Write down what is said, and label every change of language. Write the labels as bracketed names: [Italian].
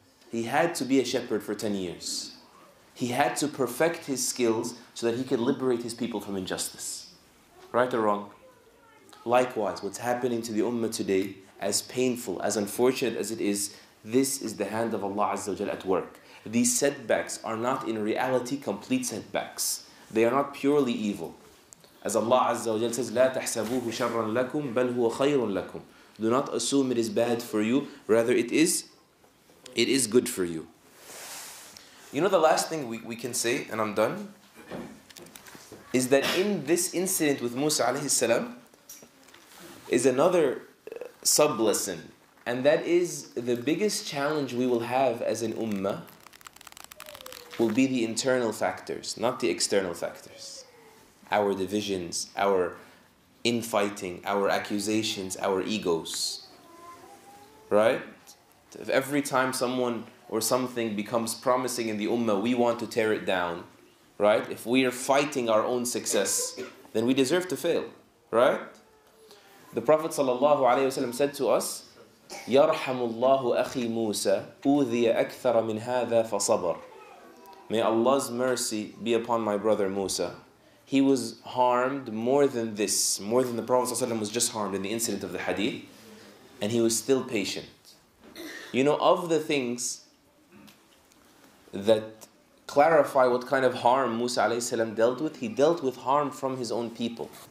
[English] He had to be a shepherd for 10 years. He had to perfect his skills so that he could liberate his people from injustice. Right or wrong? Likewise, what's happening to the ummah today, as painful, as unfortunate as it is, this is the hand of Allah Azza wa Jalla at work. These setbacks are not in reality complete setbacks. They are not purely evil. As Allah Azza wa Jalla says, [Arabic] لا تحسبوه شرا لكم بل هو خير لكم. [English] Do not assume it is bad for you, rather it is good for you. You know the last thing we can say, and I'm done, is that in this incident with Musa alayhi salam is another sub-lesson. And that is the biggest challenge we will have as an ummah will be the internal factors, not the external factors. Our divisions, our infighting, our accusations, our egos. Right? If every time someone or something becomes promising in the ummah, we want to tear it down. Right? If we are fighting our own success, then we deserve to fail. Right? The Prophet sallallahu alayhi wasallam said to us, [Arabic] يَرْحَمُ اللَّهُ أَخِي مُوسَى أُوذِيَ أَكْثَرَ مِنْ هَذَا فَصَبَرَ. [English] May Allah's mercy be upon my brother Musa. He was harmed more than this, more than the Prophet ﷺ was just harmed in the incident of the hadith, and he was still patient. You know, of the things that clarify what kind of harm Musa alayhi salam dealt with, he dealt with harm from his own people.